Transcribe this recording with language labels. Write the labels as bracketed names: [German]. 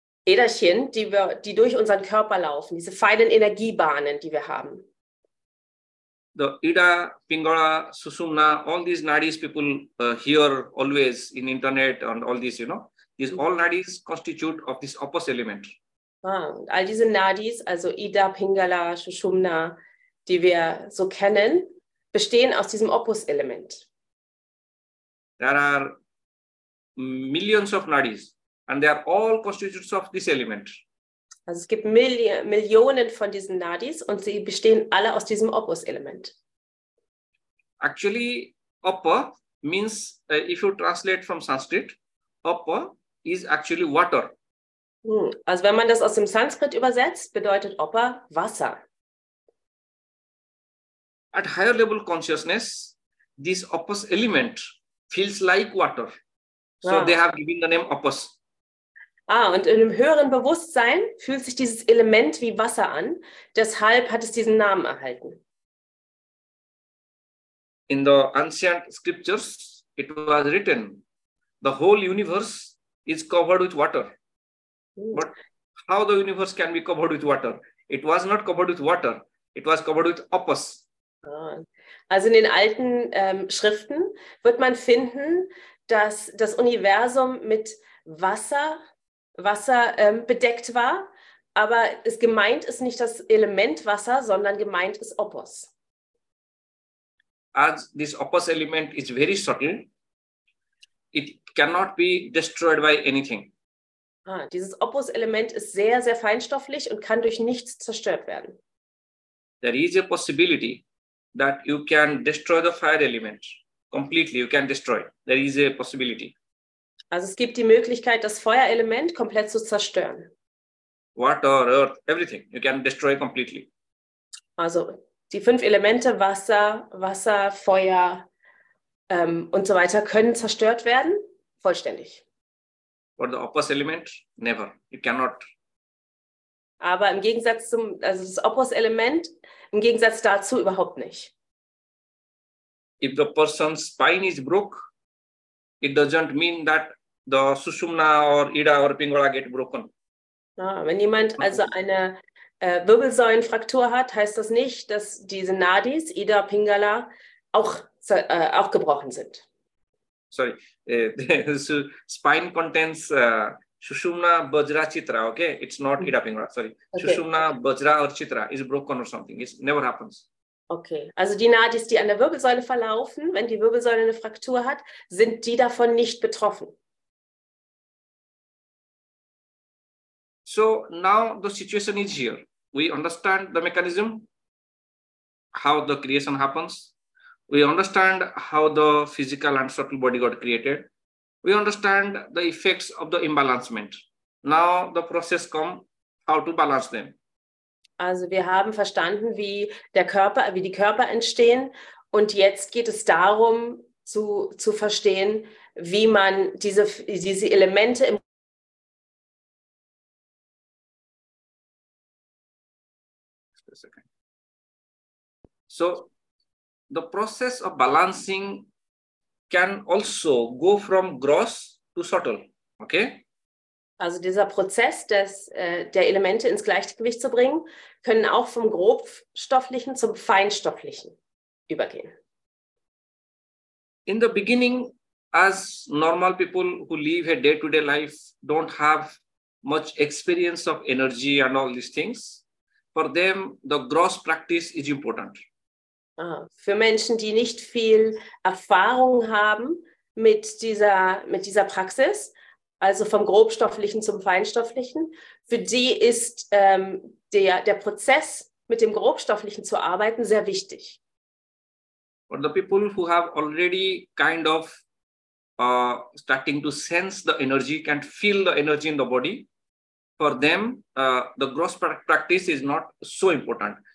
[German] Federchen, die durch unseren Körper laufen, diese feinen Energiebahnen, die wir haben. [English] The Ida, Pingala, Susumna, all these nadis people hear always in internet and all this, you know, these all nadis constitute of this opus element. [German] All diese Nadis, also Ida, Pingala, Susumna, die wir so kennen, bestehen aus diesem opus element. [English] There are millions of nadis and they are all constituents of this element. [German] Also es gibt Millionen von diesen Nadis und sie bestehen alle aus diesem Opus-Element. [English] Actually, Opa means, if you translate from Sanskrit, Opa is actually water. [German] Also wenn man das aus dem Sanskrit übersetzt, bedeutet Opa Wasser. [English] At higher level consciousness, this Opus-Element feels like water. So they have given the name Opus. [German] Und in einem höheren Bewusstsein fühlt sich dieses Element wie Wasser an. Deshalb hat es diesen Namen erhalten. [English] In the ancient scriptures, it was written, the whole universe is covered with water. But how the universe can be covered with water? It was not covered with water. It was covered with opus. [German] Also in den alten Schriften wird man finden, dass das Universum mit Wasser bedeckt war, aber es gemeint ist nicht das Element Wasser, sondern gemeint ist Opus. [English] As this Opus element is very subtle, it cannot be destroyed by anything. [German] Dieses Opus element ist sehr, sehr feinstofflich und kann durch nichts zerstört werden. [English] There is a possibility that you can destroy the fire element completely. You can destroy. There is a possibility. [German] Also es gibt die Möglichkeit, das Feuerelement komplett zu zerstören. [English] Water, earth, everything. You can destroy completely. [German] Also die fünf Elemente, Wasser, Feuer und so weiter, können zerstört werden, vollständig. [English] But the opus element, never. It cannot. [German] Aber im Gegensatz zum, also das opus element, im Gegensatz dazu überhaupt nicht. [English] If the person's spine is broke, it doesn't mean that the Susumna or Ida or Pingala get broken. [German] Wenn jemand also eine Wirbelsäulenfraktur hat, heißt das nicht, dass diese Nadis, Ida, Pingala, auch gebrochen sind. [English] Sorry. Spine contains Susumna, Bajra, Chitra, okay? It's not Ida, Pingala, sorry. Okay. Susumna, Bajra or Chitra is broken or something. It never happens. [German] Okay, also die Nadis, die an der Wirbelsäule verlaufen, wenn die Wirbelsäule eine Fraktur hat, sind die davon nicht betroffen. [English] So now the situation is here. We understand the mechanism, how the creation happens. We understand how the physical and subtle body got created. We understand the effects of the imbalancement. Now the process comes, how to balance them. [German] Also wir haben verstanden, wie die Körper entstehen. Und jetzt geht es darum, zu verstehen, wie man diese Elemente im [English] So, the process of balancing can also go from gross to subtle, okay? [German] Also dieser Prozess der Elemente ins Gleichgewicht zu bringen, können auch vom grobstofflichen zum feinstofflichen übergehen. [English] In the beginning, as normal people who live a day-to-day life don't have much experience of energy and all these things, for them the gross practice is important. [German] Für Menschen, die nicht viel Erfahrung haben mit dieser Praxis, also vom grobstofflichen zum feinstofflichen, für die ist der Prozess, mit dem grobstofflichen zu arbeiten, sehr wichtig. [English] For the people who have already kind of starting to sense the energy, can feel the energy in the body, for them the gross practice is not so important.